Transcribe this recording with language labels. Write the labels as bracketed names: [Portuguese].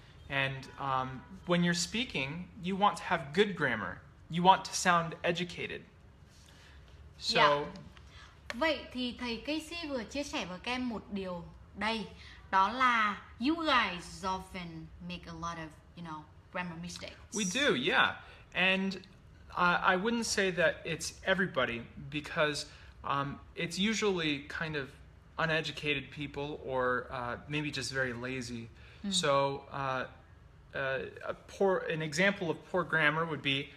[English] And when you're speaking, you want to have good grammar. You want to sound educated. So, yeah. [Vietnamese] Vậy thì thầy Casey vừa chia sẻ với các em một điều đây, đó là [English] you guys often make a lot of, you know, grammar mistakes. We do, yeah. And I wouldn't say that it's everybody, because it's usually kind of uneducated people or maybe just very lazy. Mm. So an example of poor grammar would be,